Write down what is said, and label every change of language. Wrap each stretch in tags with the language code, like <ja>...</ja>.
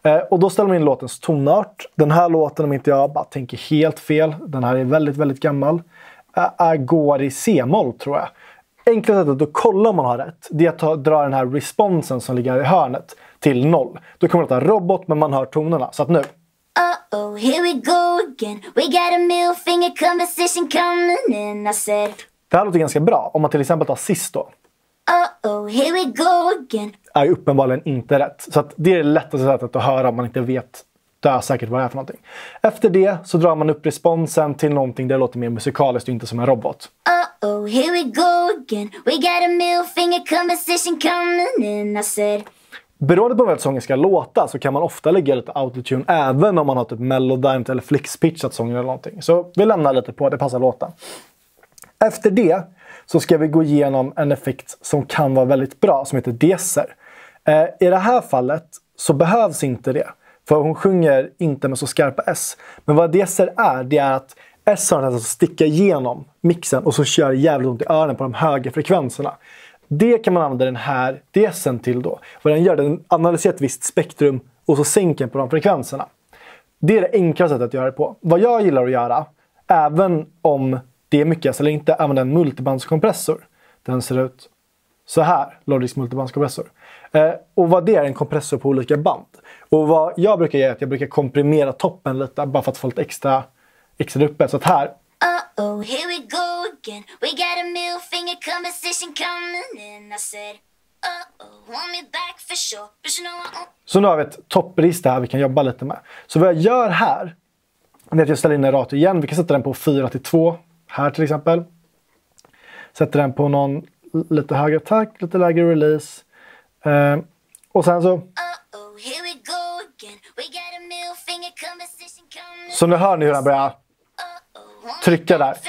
<sv>Och då ställer man in låtens tonart. Den här låten, om inte jag bara tänker helt fel, den här är väldigt, väldigt gammal. Går i C-moll tror jag. Enklast sättet att kolla om man har rätt, det är att dra den här responsen som ligger i hörnet till noll. Då kommer det att ta robot men man hör tonerna. Så att nu.</sv> <en>Uh-oh, here we go again. We got a middle finger conversation coming in, I said.</en> <sv>Det här låter ganska bra, om man till exempel tar sist då.</sv> <en>Uh-oh, here we go again.</en> <sv>Är uppenbarligen inte rätt. Så att det är det lättaste sättet att höra om man inte vet säkert vad det är för någonting. Efter det så drar man upp responsen till någonting där det låter mer musikaliskt och inte som en robot.</sv> <en>Uh-oh, here we go again. We got a middle finger conversation coming in, I said.</en> <sv>Beroende på hur sången ska låta så kan man ofta lägga lite autotune även om man har typ melodimed eller flixpitchat sången eller någonting. Så vi lämnar lite på att det passar låten. Efter det så ska vi gå igenom en effekt som kan vara väldigt bra som heter deser. I det här fallet så behövs inte det. För hon sjunger inte med så skarpa S. Men vad deser är, det är att S har att sticka igenom mixen och så kör jävligt ont i öronen på de höga frekvenserna. Det kan man använda den här desen till då. Vad den gör, den analyserar ett visst spektrum och så sänker på de frekvenserna. Det är det enklaste sättet att göra det på. Vad jag gillar att göra, även om det är mycket eller inte, använda en multibandskompressor. Den ser ut så här, Logic's multibandskompressor. Och vad det är, en kompressor på olika band. Och vad jag brukar göra är att jag brukar komprimera toppen lite, bara för att få lite extra uppe. Så att här...</sv> <en>Uh-oh, here we go again. We got a middle finger conversation coming in. I said, uh-oh, want me back for sure. But you know what?</en> <sv>Så nu har vi ett toppregister här vi kan jobba lite med. Så vad jag gör här är att jag ställer in en rat igen. Vi kan sätta den på 4-2 här till exempel. Sätter den på någon lite högre attack, lite lägre release. Och sen så...</sv> <en>Uh-oh, here we go again. We got a middle finger conversation coming in.</en> <sv>Så nu hör ni hur den börjar... trycka där.</sv>